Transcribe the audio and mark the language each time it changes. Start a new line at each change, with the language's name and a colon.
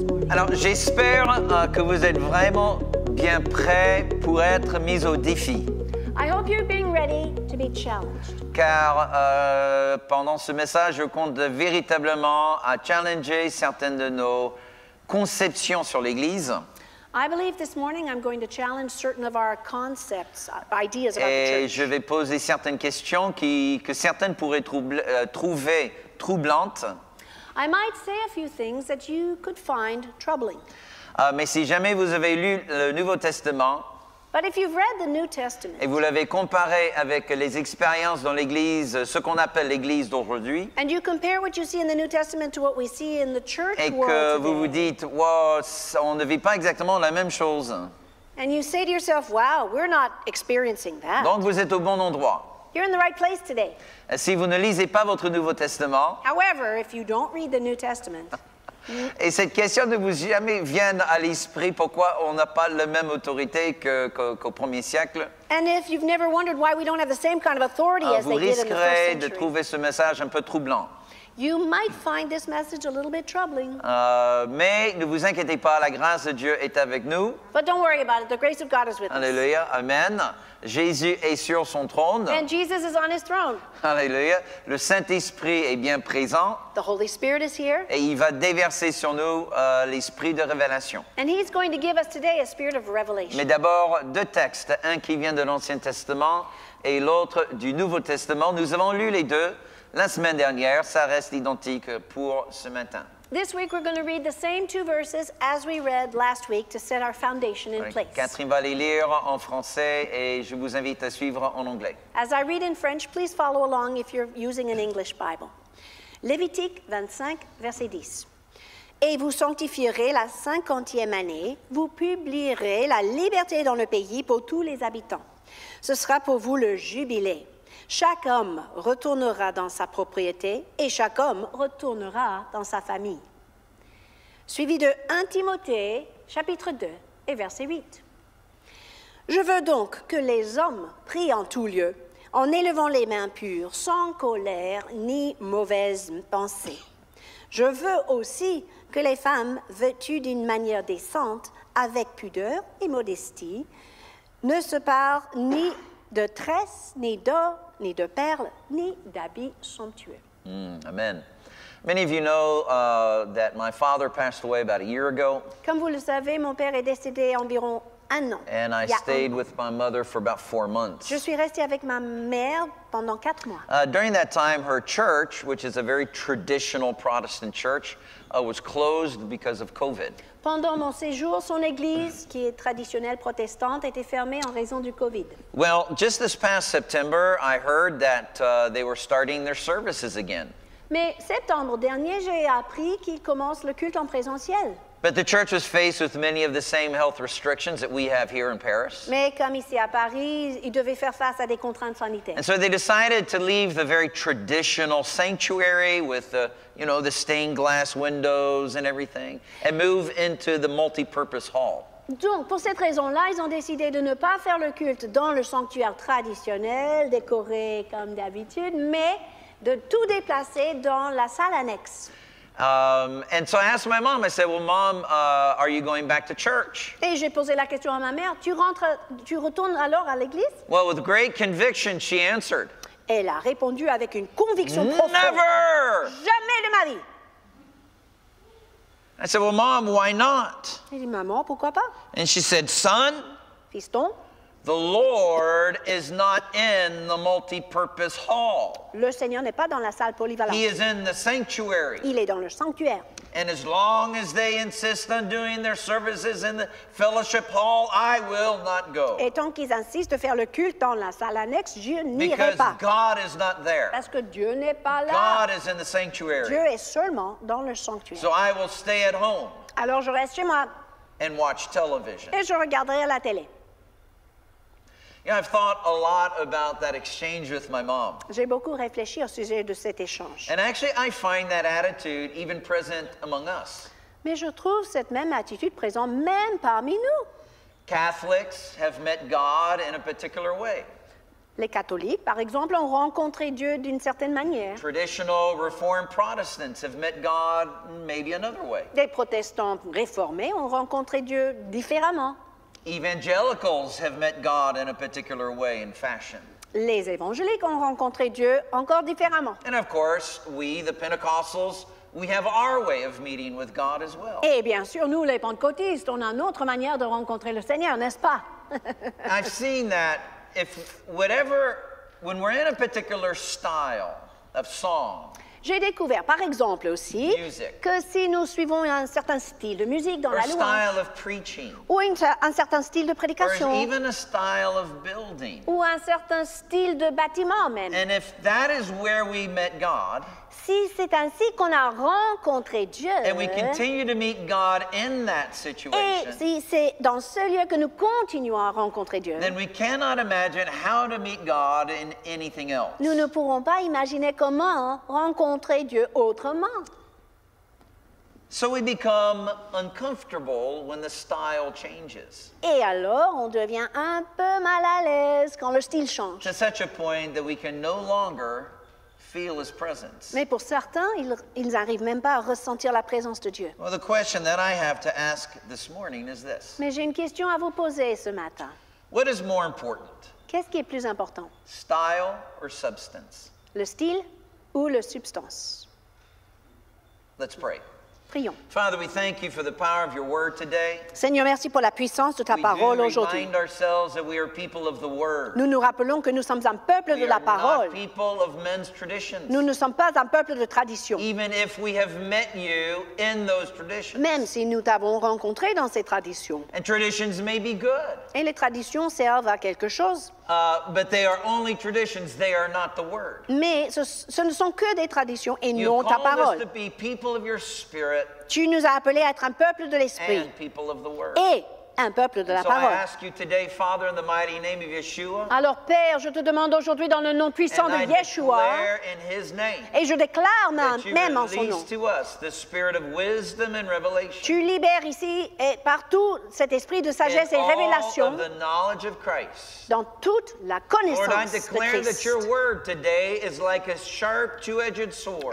French: Alors, j'espère que vous êtes vraiment bien prêts pour être mis au défi.
English: I hope you're being ready to be challenged.
French: Car pendant ce message, je compte véritablement à challenger certaines de nos conceptions sur l'Église.
English: I believe this morning I'm going to challenge certain of our concepts, ideas about church.
French: Et je vais poser certaines questions que certaines pourraient trouver troublantes.
English: I might say a few things that you could find troubling.
French: Mais si jamais vous avez lu le Nouveau Testament,
English: but if you've read the New Testament,
French: et vous l'avez comparé avec les expériences dans l'Église, ce qu'on appelle l'Église d'aujourd'hui,
English: and you compare what you see in the New Testament to what we see in the church world today,
French: et que vous vous dites, wow, on ne vit pas exactement la même chose,
English: and you say to yourself, wow, we're not experiencing that.
French: Donc vous êtes au bon endroit.
English: You're in the right place today.
French: Si vous ne lisez pas votre Nouveau Testament,
English: however, if you don't read the New Testament,
French: et cette question ne vous jamais vient à l'esprit pourquoi on n'a pas la même autorité qu'au premier siècle,
English: and if you've never wondered why we don't have the same kind of authority as they did in the first century,
French: vous risquerez de trouver ce message un peu troublant.
English: You might find this message a little bit troubling.
French: Mais ne vous inquiétez pas, la grâce de Dieu est avec nous.
English: But don't worry about it, the grace of God is with us.
French: Alléluia, amen. Jésus est sur son trône.
English: And Jesus is on his throne.
French: Alléluia. Le Saint-Esprit est bien présent.
English: The Holy Spirit is here.
French: Et il va déverser sur nous l'Esprit de révélation.
English: And he's going to give us today a spirit of revelation.
French: Mais d'abord, deux textes, un qui vient de l'Ancien Testament et l'autre du Nouveau Testament. Nous avons lu les deux la semaine dernière, ça reste identique pour ce matin.
English: This week we're going to read the same two verses as we read last week to set our foundation in place.
French: Catherine va les lire en français et je vous invite à suivre en anglais.
English: As I read in French, please follow along if you're using an English Bible.
French: Lévitique 25, verset 10. Et vous sanctifierez la 50e année, vous publierez la liberté dans le pays pour tous les habitants. Ce sera pour vous le jubilé. Chaque homme retournera dans sa propriété et chaque homme retournera dans sa famille. Suivi de 1 Timothée, chapitre 2 et verset 8. Je veux donc que les hommes prient en tout lieu, en élevant les mains pures, sans colère ni mauvaise pensée. Je veux aussi que les femmes, vêtues d'une manière décente, avec pudeur et modestie, ne se parent ni de tresses, ni d'or, ni de perles, ni d'habits somptueux. Amen.
English: Many of you know that my father passed away about a year ago.
French: Comme vous le savez, mon père est décédé environ un an.
English: And I stayed with my mother for about 4 months.
French: Je suis restée avec ma mère pendant 4 mois.
English: During that time, her church, which is a very traditional Protestant church, was closed because of COVID.
French: Pendant mon séjour, son église, qui est traditionnelle protestante, était fermée en raison du COVID.
English: Well, just this past September, I heard that they were starting their services again.
French: Mais septembre dernier, j'ai appris qu'ils commencent le culte en présentiel.
English: But the church was faced with many of the same health restrictions that we have here in Paris.
French: Mais comme ici à Paris, ils devaient faire face à des contraintes sanitaires.
English: And so they decided to leave the very traditional sanctuary with the, you know, the stained glass windows and everything and move into the multi-purpose hall.
French: Donc, pour cette raison-là, ils ont décidé de ne pas faire le culte dans le sanctuaire traditionnel, décoré comme d'habitude, mais de tout déplacer dans la salle annexe.
English: And so I asked my mom, I said, well, mom, are you going back to church?
French: Et j'ai posé la question à ma mère, tu retournes alors à l'église?
English: Well, with great conviction, she answered.
French: Elle a répondu avec une conviction profonde.
English: Never!
French: Jamais de ma vie!
English: I said, well, mom, why not?
French: Elle dit, maman, pourquoi pas?
English: And she said, son,
French: fiston,
English: the Lord is not in the multi-purpose hall.
French: Le Seigneur n'est pas dans la salle polyvalente.
English: He is in the sanctuary.
French: Il est dans le sanctuaire.
English: And as long as they insist on doing their services in the fellowship hall, I will not go.
French: Et tant qu'ils insistent de faire le culte dans la salle annexe, je n'irai pas.
English: Because God is not there.
French: Parce que Dieu n'est pas là.
English: God is in the sanctuary.
French: Dieu est seulement dans le sanctuaire.
English: So I will stay at home.
French: Alors je reste chez moi.
English: And watch television.
French: Et je regarderai la télé.
English: Yeah, I've thought a lot about that exchange with my mom.
French: J'ai beaucoup réfléchi au sujet de cet échange.
English: And actually, I find that attitude even present among us.
French: Mais je trouve cette même attitude présente même parmi nous.
English: Catholics have met God in a particular way.
French: Les catholiques, par exemple, ont rencontré Dieu d'une certaine manière.
English: Traditional Reformed Protestants have met God maybe another way.
French: Des protestants réformés ont rencontré Dieu différemment.
English: Evangelicals have met God in a particular way and fashion.
French: Les évangéliques ont rencontré Dieu encore différemment.
English: And of course, we, the Pentecostals, we have our way of meeting with God as well.
French: Et bien sûr, nous, les pentecôtistes, on a notre manière de rencontrer le Seigneur, n'est-ce pas?
English: I've seen that. If whatever, when we're in a particular style of song,
French: j'ai découvert, par exemple aussi,
English: music,
French: que si nous suivons un certain style de musique dans
English: or
French: la louange,
English: style of preaching,
French: ou un certain style de prédication,
English: or even a style of building,
French: ou un certain style de bâtiment même,
English: and if that is where we met God,
French: si c'est ainsi qu'on a rencontré Dieu,
English: and we continue to meet God in that situation,
French: et si c'est dans ce lieu que nous continuons à rencontrer Dieu,
English: then we cannot imagine how to meet God in anything else.
French: Nous ne pourrons pas imaginer comment rencontrer Dieu autrement.
English: So we become uncomfortable when the style changes.
French: Et alors, on devient un peu mal à l'aise quand le style change.
English: To such a point that we can no longer feel his presence.
French: Mais pour certains, ils arrivent même pas à ressentir la présence de Dieu.
English: Well, the question that I have to ask this morning is this.
French: Mais j'ai une question à vous poser ce matin.
English: What is more important?
French: Qu'est-ce qui est plus important?
English: Style or substance?
French: Le style ou la substance?
English: Let's pray.
French: Prions.
English: Father, we thank you for the power of your word today.
French: Seigneur, merci pour la puissance de ta parole aujourd'hui.
English: We remind ourselves that we are people of the word.
French: Nous nous rappelons que nous sommes un peuple de la parole.
English: We are not people of men's traditions.
French: Nous ne sommes pas un peuple de tradition.
English: Even if we have met you in those traditions.
French: Même si nous t'avons rencontré dans ces traditions.
English: And traditions may be good.
French: Et les traditions servent à quelque chose.
English: But they are only traditions, they are not the word.
French: Mais ce ne sont que des traditions et
English: you
French: non ta parole.
English: Us to be people of your spirit.
French: Tu nous as appelés à être un peuple de l'esprit
English: and people of the word.
French: Et un peuple de
English: and
French: la
English: so
French: parole.
English: I ask you today, Father, in the mighty name of Yeshua,
French: alors Père, je te demande aujourd'hui dans le nom puissant
English: and
French: de Yeshua,
English: I declare in his name,
French: et je déclare
English: that
French: même
English: you release
French: en son nom,
English: to us the spirit of wisdom and revelation.
French: Tu libères ici et partout cet esprit de sagesse
English: in
French: et révélation
English: all of the knowledge of Christ.
French: Dans toute la connaissance
English: Lord, I declare
French: de Christ.
English: That your word today is like a sharp two-edged sword.